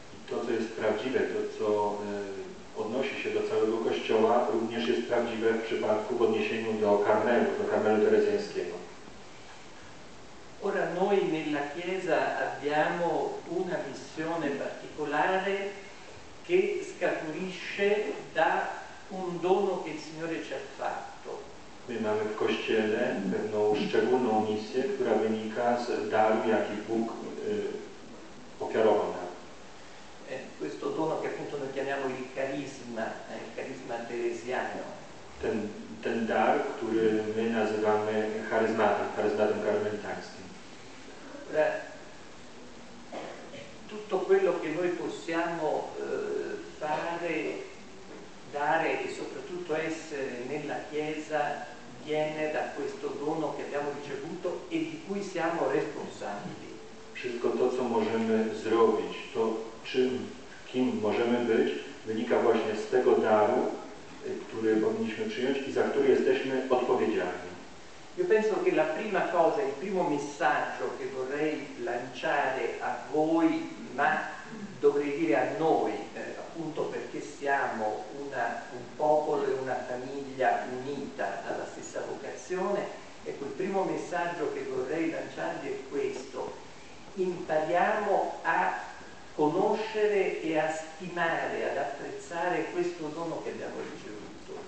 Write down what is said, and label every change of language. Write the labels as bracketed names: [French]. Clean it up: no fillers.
[Polish] To, co jest prawdziwe, to, co odnosi się do całego Kościoła, również jest prawdziwe w przypadku w odniesieniu do Karmelu, terezyńskiego. [Italian] Ora noi nella Chiesa abbiamo una missione particolare che scaturisce da un dono che il Signore ci ha fatto. [Polish] My mamy w Kościele pewną szczególną misję, która wynika z daru, jaki Bóg ofiarował nam. [Italian] Questo dono che appunto noi chiamiamo il carisma, carisma teresiano. [Polish] Ten dar, który my nazywamy charyzmatem karmelitańskim. [Italian] Tutto quello che noi possiamo fare, dare e soprattutto essere nella Chiesa viene da questo dono che abbiamo ricevuto e di cui siamo responsabili. [Polish] Wszystko to, co możemy zrobić, to czym, kim możemy być, wynika właśnie z tego daru, który powinniśmy przyjąć i za który jesteśmy odpowiedzialni. [Italian] Io penso che la prima cosa, il primo messaggio che vorrei lanciare a voi, ma dovrei dire a noi, appunto perché siamo un popolo e una famiglia unita dalla stessa vocazione, ecco il primo messaggio che vorrei lanciarvi è questo: impariamo a conoscere e a stimare, ad apprezzare questo dono che abbiamo ricevuto.